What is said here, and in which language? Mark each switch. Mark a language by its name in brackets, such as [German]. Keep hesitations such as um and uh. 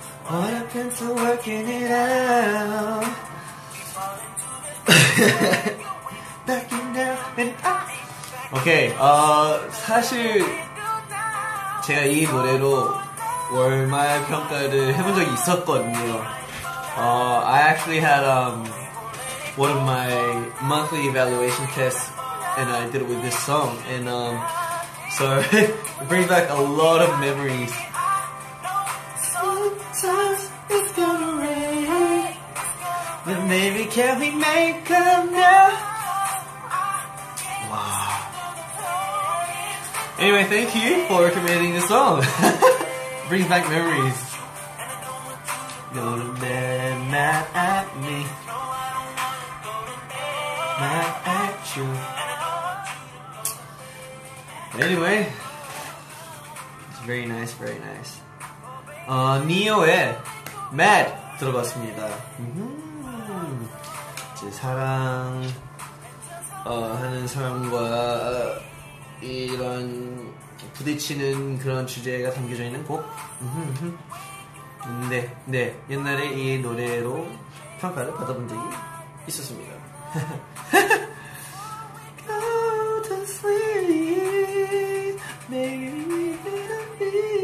[English] All your pencil working it out. Backing down and up. [Korean] 오케이, 어, 사실 제가 이 노래로 월말 평가를 해본 적이 있었거든요. [English] 어, I actually had um, one of my monthly evaluation tests, and I did it with this song, and um, so it brings back a lot of memories. Sometimes it's gonna rain, but maybe can we make up now? Wow. Anyway, thank you for recommending this song. Brings back memories. Go to bed, mad at me. Mad at you. Anyway, it's very nice, very nice. [Korean] 어, 니오의 Mad 들어봤습니다. 음, 이제 사랑 어, 하는 사람과 이런 부딪히는 그런 주제가 담겨져 있는 곡. 음흠. 네, 네. 옛날에 이 노래로 평가를 받아본 적이 있었습니다. [English] Go to sleep, maybe it'll be happy.